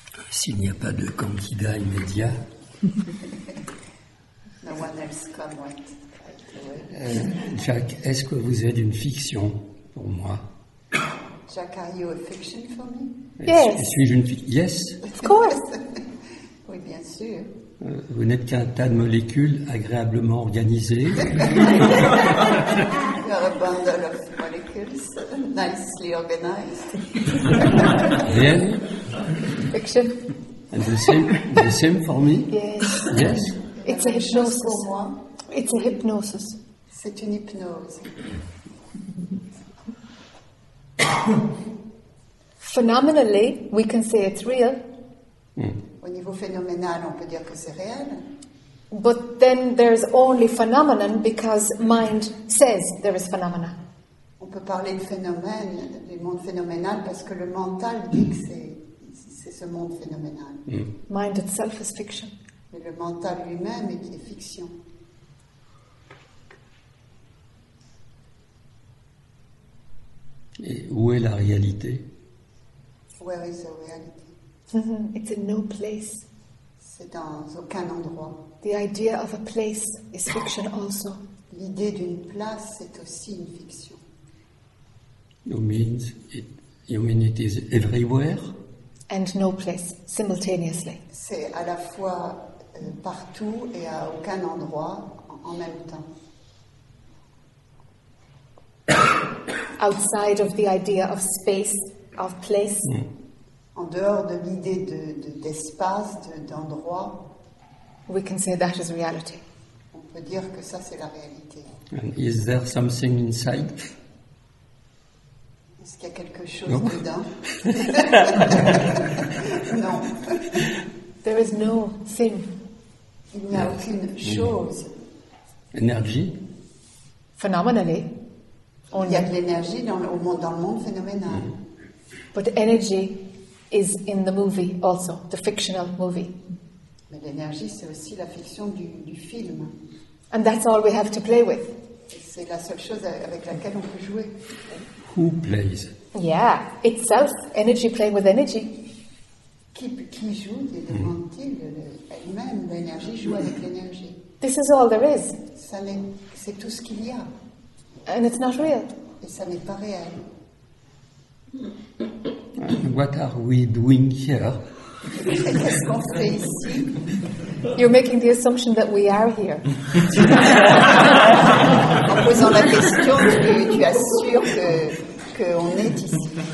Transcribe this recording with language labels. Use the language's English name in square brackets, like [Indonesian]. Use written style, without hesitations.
[French] S'il n'y a pas de candidat immédiat. [English] No one else come right. [French] Jack, est-ce que vous êtes une fiction pour moi? [English] Jack, are you a fiction for me? Yes. [French] Suis-je une fiction? [English] Yes. Of course. [French] Oui, bien sûr. Vous n'êtes qu'un tas de molécules agréablement organisées. [English] You're a bundle of molecules nicely organized. Yes. Fiction. And the same for me? Yes. Yes. It's a hypnosis for moi. It's a hypnosis. [French] C'est une hypnose. [English] Phenomenally, we can say it's real. [French] Au niveau phénoménal, on peut dire que c'est réel. [English] But then there's only phenomenon because mind says there is phenomena. [French] On peut parler de phénomène, du monde phénoménal, parce que le mental dit que c'est ce monde phénoménal. [English] Mind itself is fiction. [French] Mais le mental lui-même est fiction. Et où est la réalité? [English] Where is the reality? It's in no place. [French] C'est dans aucun endroit. [English] The idea of a place is fiction also. [French] L'idée d'une place est aussi une fiction. [English] You mean it is everywhere? And no place, simultaneously. [French] C'est à la fois partout et à aucun endroit en même temps. [English] Outside of the idea of space, of place. Mm. [French] En dehors de l'idée d'espace, d'endroit, [English] we can say that is reality. [French] On peut dire que ça, c'est la réalité. [English] And is there something inside? [French] Est-ce qu'il y a quelque chose dedans? Non. [English] There is no thing. [French] Il n'y a aucune chose. Énergie? [English] Phenomenally. [French] Il y a de l'énergie dans le monde phénoménal. Mm. [English] But energy is in the movie also, the fictional movie. [French] Mais l'énergie, c'est aussi la fiction du film. [English] And that's all we have to play with. [French] C'est la seule chose avec laquelle on peut jouer. [English] Who plays? Yeah, itself, energy playing with energy. [French] Qui joue, demande-t-il, elle-même, l'énergie joue avec l'énergie. [English] This is all there is. [French] C'est tout ce qu'il y a. [English] And it's not real. [French] Et ça n'est pas réel. [English] What are we doing here? [French] Qu'est-ce qu'on fait ici? [English] You're making the assumption that we are here. [French] En posant la question, tu assures qu'on est ici.